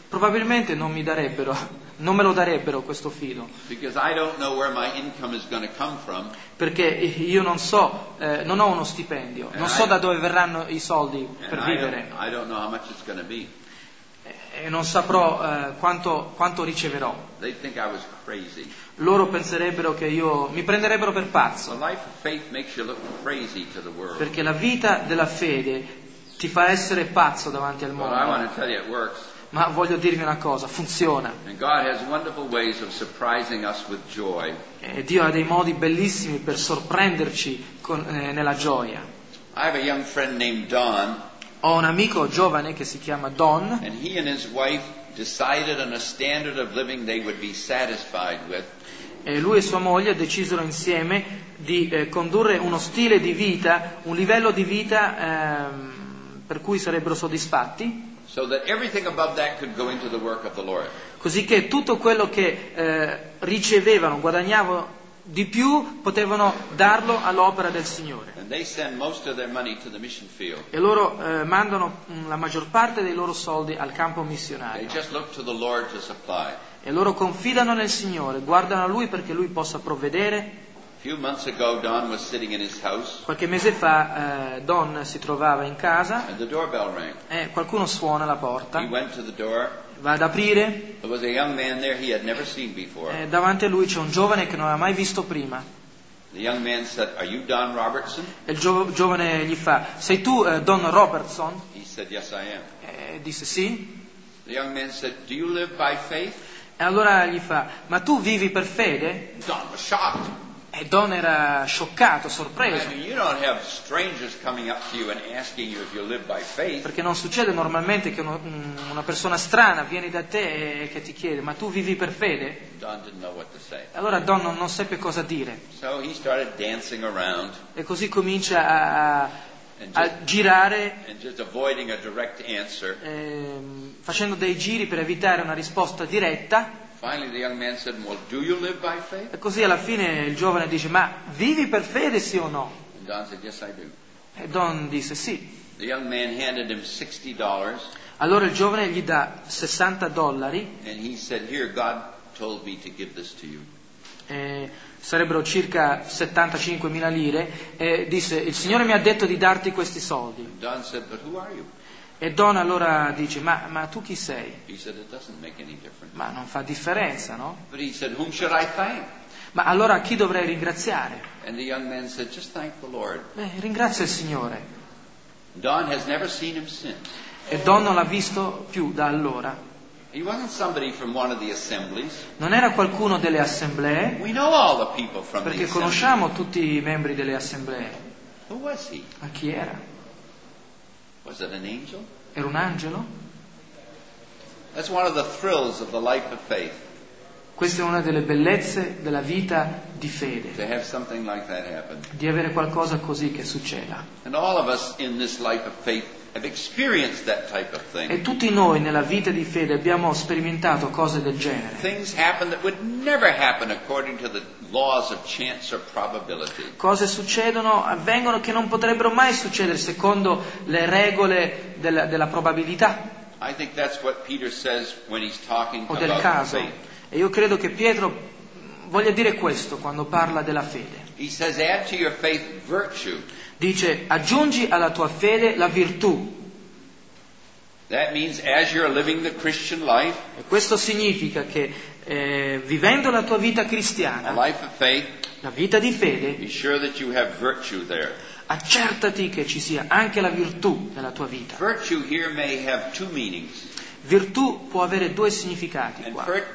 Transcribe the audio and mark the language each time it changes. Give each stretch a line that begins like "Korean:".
Italian: Probabilmente non mi darebbero, non me lo darebbero questo fido.
English: Because I don't know where my income is going to come from.
Italian: Perché io non so, non ho uno stipendio, non so da dove verranno i soldi per vivere.
English: I don't know how much it's going to be.
Italian: E non saprò quanto riceverò.
English: They think I was crazy.
Italian: Loro penserebbero che io mi prenderebbero per pazzo.
English: The life of faith makes you look crazy to the world.
Italian: Perché la vita della fede ti fa essere pazzo davanti al mondo.
English: But I want to tell you it works.
Italian: Ma voglio dirvi una cosa, funziona.
English: And God has wonderful ways of surprising us with joy.
Italian: E Dio ha dei modi bellissimi per sorprenderci nella gioia.
English: I have a young friend named Don.
Italian: Ho un amico giovane che si chiama Don.
English: And he and his wife decided on a standard of living they would be satisfied with.
Italian: E lui e sua moglie decisero insieme di condurre uno stile di vita, un livello di vita per cui sarebbero soddisfatti.
English: So that everything above that could go into the work of the Lord.
Italian: Così che tutto quello che ricevevano, guadagnavano di più, potevano darlo all'opera del Signore.
English: And they send most of their money to the mission field.
Italian: E loro mandano la maggior parte dei loro soldi al campo missionario.
English: They just look to the Lord to supply.
Italian: E loro confidano nel Signore, guardano a Lui perché Lui possa provvedere.
English: A few months ago, Don was sitting in his house.
Italian: Qualche mese fa Don si trovava in casa.
English: And the doorbell rang.
Italian: E qualcuno suona la porta.
English: He went to the door.
Italian: Va ad aprire.
English: There was a young man there he had never seen before.
Italian: E davanti a lui c'è un giovane che non aveva mai visto prima.
English: The young man said, "Are you Don Robertson?"
Italian: E il giovane gli fa, "Sei tu Don Robertson?"
English: He said, "Yes, I am."
Italian: E disse, "Sì."
English: The young man said, "Do you live by faith?"
Italian: E allora gli fa, "Ma tu vivi per fede?"
English: Don was shocked.
Italian: E Don era scioccato, sorpreso.
English: You don't have strangers coming up to you and asking you if you live by faith.
Italian: Perché non succede normalmente che una persona strana viene da te e che ti chiede, ma tu vivi per fede?
English: Don didn't know what to say.
Italian: Allora Don non seppe cosa dire.
English: So he started dancing around.
Italian: E così comincia a girare.
English: And just avoiding a direct answer.
Italian: Facendo dei giri per evitare una risposta diretta.
English: Finally the young man said, "Well, do you live by faith?"
Italian: E così alla fine il giovane dice, "Ma vivi per fede sì o no?"
English: And Don said, "Yes, I do."
Italian: E Don disse, "Sì."
English: The young man handed him $60.
Italian: Allora il giovane gli dà $60.
English: And he said, "Here, God told me to give this to you."
Italian: E sarebbero circa 75.000 lire e disse, "Il Signore mi ha detto di darti questi soldi."
English: And Don said, "But who are you?"
Italian: E Don allora dice, ma tu chi sei?
English: He said, "It doesn't make any difference."
Italian: Ma non fa differenza, no?
English: But he said, "Whom should I thank?"
Italian: Ma allora chi dovrei ringraziare?
English: And the young man said, "Just thank the Lord."
Italian: Beh, ringrazia il Signore.
English: Don has never seen him since.
Italian: E Don non l'ha visto più da allora.
English: He wasn't somebody from one of the assemblies.
Italian: Non era qualcuno delle assemblee.
English: We know all the people from
Italian: perché
English: the
Italian: conosciamo
English: assembly.
Italian: Tutti i membri delle assemblee.
English: Who was he?
Italian: Ma chi era?
English: Was it an angel?
Italian: Era un angelo?
English: That's one of the thrills of the life of faith.
Italian: Questa è una delle bellezze della vita di fede.
English: To have something like that happen.
Italian: Di avere qualcosa così che succeda.
English: And all of us in this life of faith have experienced that type of thing.
Italian: E tutti noi nella vita di fede abbiamo sperimentato cose del genere.
English: Things happen that would never happen according to the laws of chance or probability.
Italian: Cose succedono, avvengono che non potrebbero mai succedere secondo le regole della probabilità.
English: I think that's what Peter says when he's talking about faith.
Italian: E io credo che Pietro voglia dire questo quando parla della fede.
English: He says, add to your faith virtue.
Italian: Dice, aggiungi alla tua fede la virtù.
English: That means as you're living the Christian life,
Italian: e questo significa che vivendo la tua vita cristiana,
English: a life of faith,
Italian: la vita di fede,
English: be sure that you have virtue there.
Italian: Accertati che ci sia anche la virtù nella tua vita.
English: Virtue here may have two meanings.
Italian: Virtù può avere due significati qua.